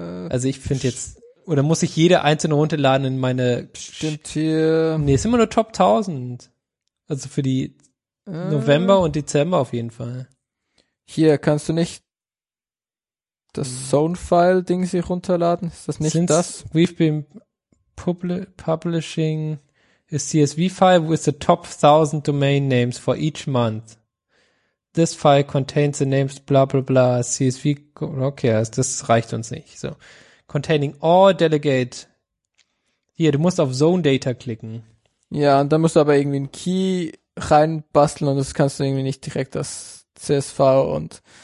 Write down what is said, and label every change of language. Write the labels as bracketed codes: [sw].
[de] Also ich finde jetzt, oder muss ich jede einzelne runterladen in meine... Stimmt hier. Nee, ist immer nur Top 1000. Also für die November und Dezember auf jeden Fall. Hier, kannst du nicht das Zone-File-Ding sich runterladen? Ist das nicht das? [en] We've been publishing a CSV-File with the top 1000 domain names for each month. This file contains the names bla bla bla CSV. [de] Okay, das reicht uns nicht. So. [en] Containing all delegate. [de] Hier, du musst auf Zone Data klicken. Ja, und dann musst du aber irgendwie einen Key reinbasteln und das kannst du irgendwie nicht direkt das CSV und